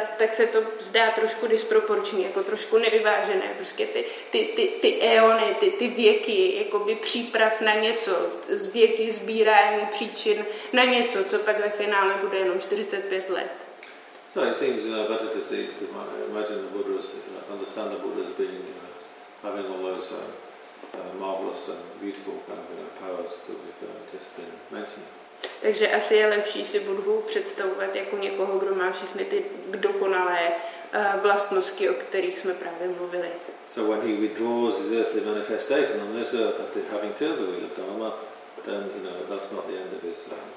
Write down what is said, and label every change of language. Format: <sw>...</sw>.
<cs>Tak se to zdá trošku disproporční, jako trošku nevyvážené. Prostě ty eony, ty věky, jakoby příprav na něco, z věky sbírání příčin na něco, co pak ve finále bude jenom 45 let.</cs> <en>So it seems better to imagine the Buddha as, understand the Buddha as being, you know, having all those marvelous and beautiful kind of, you know, powers that we've just been mentioning.</en> <cs>Takže asi je lepší si Buddhu představovat jako někoho, kdo má všechny ty dokonalé vlastnosti, o kterých jsme právě mluvili.</cs> <en>So when he withdraws his earthly manifestation on this earth after having turned the wheel of Dharma, then, you know, that's not the end of his</en>